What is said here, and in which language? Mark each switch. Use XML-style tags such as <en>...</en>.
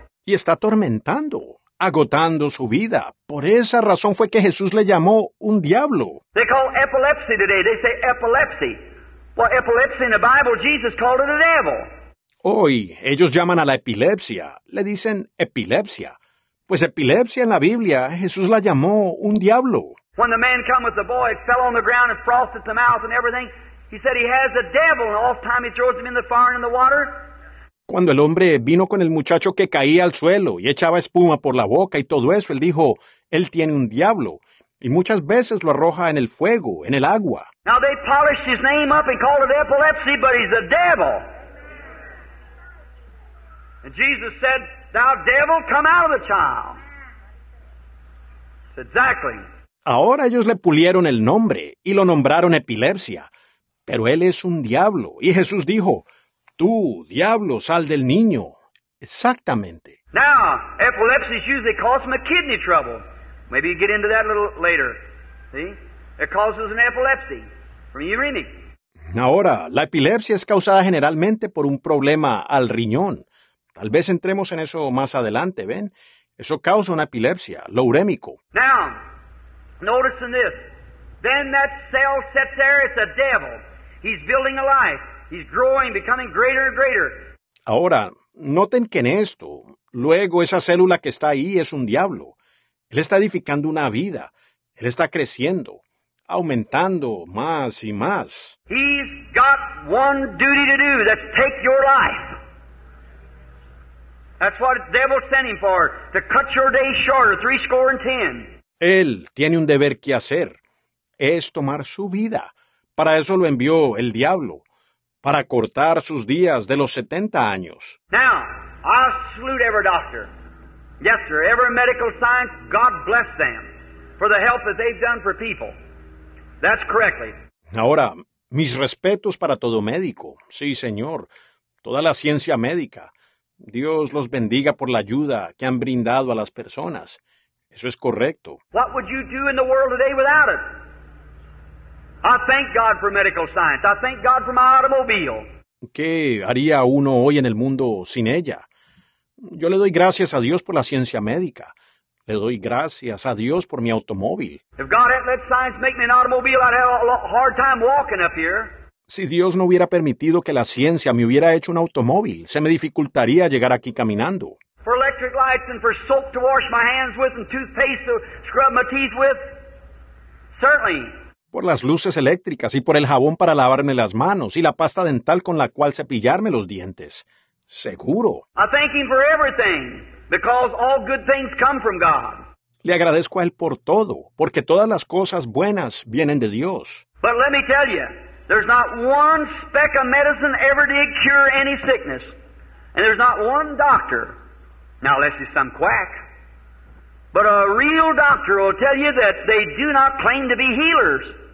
<es>Y está atormentando. Agotando su vida. Por esa razón fue que Jesús le llamó un diablo.</es> <en>They call epilepsy today. They say epilepsy. Well, epilepsy in the Bible, Jesus called it a devil.</en> <es>Hoy, ellos llaman a la epilepsia. Le dicen epilepsia. Pues epilepsia en la Biblia, Jesús la llamó un diablo.</es> <en>When the man came with the boy, it fell on the ground and frosted the mouth and everything. He said he has a devil, and all the time he throws him in the fire and in the water.</en> <es>Cuando el hombre vino con el muchacho que caía al suelo y echaba espuma por la boca y todo eso, él dijo, él tiene un diablo. Y muchas veces lo arroja en el fuego, en el agua.</es> <en>Now they polished his name up and called it epilepsy, but he's a devil. And Jesus said, thou devil, come out of the child. Exactly.</en> <es>Ahora ellos le pulieron el nombre y lo nombraron epilepsia. Pero él es un diablo. Y Jesús dijo, tú, diablo, sal del niño. Exactamente.</es> <en>Now, epilepsy usually causes a kidney trouble. Maybe you get into that a little later. See? It causes an epilepsy. From your kidney.</en> <es>Ahora, la epilepsia es causada generalmente por un problema al riñón. Tal vez entremos en eso más adelante, ¿ven? Eso causa una epilepsia, lo urémico.</es> <en>Now, notice this. Then that cell sits there, it's a devil. He's building a life. He's growing, becoming greater and greater.</en> <es>Ahora, noten que en esto, luego esa célula que está ahí es un diablo. Él está edificando una vida. Él está creciendo, aumentando más y más.</es> <en>He's got one duty to do, that's take your life. That's what the devil sent him for, to cut your day shorter, 70.</en> <es>Él tiene un deber que hacer, es tomar su vida. Para eso lo envió el diablo. Para cortar sus días de los 70 años.</es> <en>Now, I salute every doctor. Yes, sir, every medical science, God bless them for the help that they've done for people. That's correctly.</en> <es>Ahora, mis respetos para todo médico. Sí, señor. Toda la ciencia médica. Dios los bendiga por la ayuda que han brindado a las personas. Eso es correcto.</es> <en>What would you do in the world today without it? I thank God for medical science. I thank God for my automobile.</en> <es>¿Qué haría uno hoy en el mundo sin ella? Yo le doy gracias a Dios por la ciencia médica. Le doy gracias a Dios por mi automóvil.</es> <en>If God hadn't let science make me an automobile, I'd have a hard time walking up here.</en> <es>Si Dios no hubiera permitido que la ciencia me hubiera hecho un automóvil, se me dificultaría llegar aquí caminando.</es> <en>for electric lights and for soap to wash my hands with and toothpaste to scrub my teeth with? Certainly.</en> <es>Por las luces eléctricas y por el jabón para lavarme las manos y la pasta dental con la cual cepillarme los dientes. Seguro.</es> <en>I thank him for everything, because all good things come from God.</en> <es>Le agradezco a él por todo, porque todas las cosas buenas vienen de Dios.</es> <en>But let me tell you, there's not one speck of medicine ever did cure any sickness. And there's not one doctor, now unless he's some quack, but a real doctor will tell you that they do not claim to be healers.</en>